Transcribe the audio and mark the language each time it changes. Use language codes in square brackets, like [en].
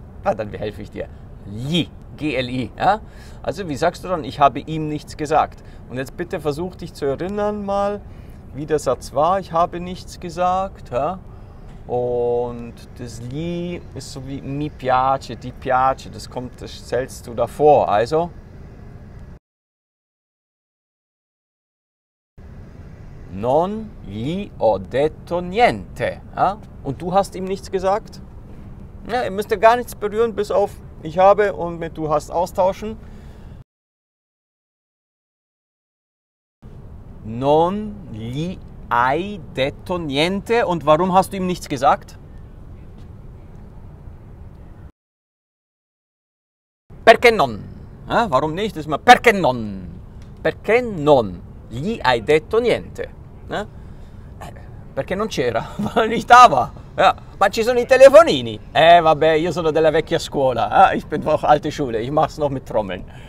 [de] Na, dann helfe ich dir. Gli. G-L-I. Ja? Also, wie sagst du dann? Ich habe ihm nichts gesagt. Und jetzt bitte versuch dich zu erinnern mal, wie der Satz war. Ich habe nichts gesagt. Ja? Und das Gli ist so wie mi piace, ti piace. Das kommt, das zählst du davor. [it] Also, non gli ho detto niente. [de] Ja? Und du hast ihm nichts gesagt? Ja, ihr müsst ja gar nichts berühren, bis auf ich habe und mit du hast austauschen. [it] Non gli hai detto niente. [de] Und warum hast du ihm nichts gesagt? Perché non? Ja, warum nicht? Das ist mal perché non. [it] Perché non gli hai detto niente? Ja? Perché non c'era, ma nicht da war. Ja. Ma ci sono i telefonini. Vabbè, io sono della vecchia scuola. [de] Ah, ich bin noch alte Schule. Ich mach's noch mit Trommeln.